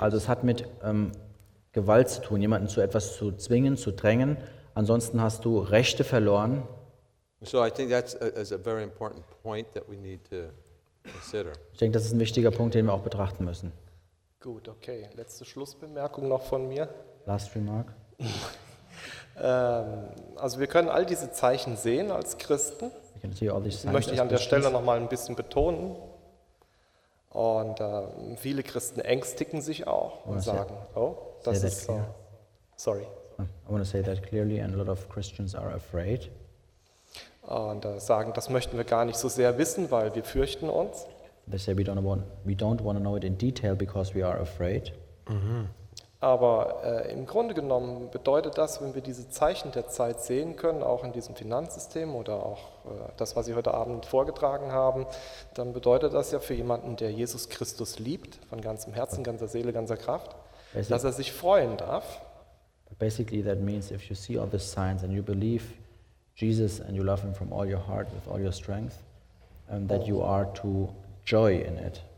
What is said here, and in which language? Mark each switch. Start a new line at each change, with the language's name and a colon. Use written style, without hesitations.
German: Also es hat mit Gewalt zu tun, jemanden zu etwas zu zwingen, zu drängen. Ansonsten hast du Rechte verloren.
English: So I think that's a very important point that we need to consider.
German: Ich denke, das ist ein wichtiger Punkt, den wir auch betrachten müssen. Gut, okay. Letzte Schlussbemerkung noch von mir.
English: Last remark.
German: Also wir können all diese Zeichen sehen als Christen.
English: We can see all these signs.
German: Möchte ich an der Stelle noch mal ein bisschen betonen. Und viele Christen ängstigen sich auch und sagen, oh, das ist so.
English: Sorry. I want to say that clearly, and a lot of Christians are afraid.
German: Und sagen, das möchten wir gar nicht so sehr wissen, weil wir fürchten uns.
English: They say we don't want to know it in detail because we are afraid. Mm-hmm.
German: Aber im Grunde genommen bedeutet das, wenn wir diese Zeichen der Zeit sehen können, auch in diesem Finanzsystem oder auch das, was Sie heute Abend vorgetragen haben, dann bedeutet das ja für jemanden, der Jesus Christus liebt, von ganzem Herzen, ganzer Seele, ganzer Kraft, basically, dass er sich freuen darf.
English: Basically that means if you see all the signs and you believe Jesus and you love him from all your heart with all your strength and that you are to joy in it.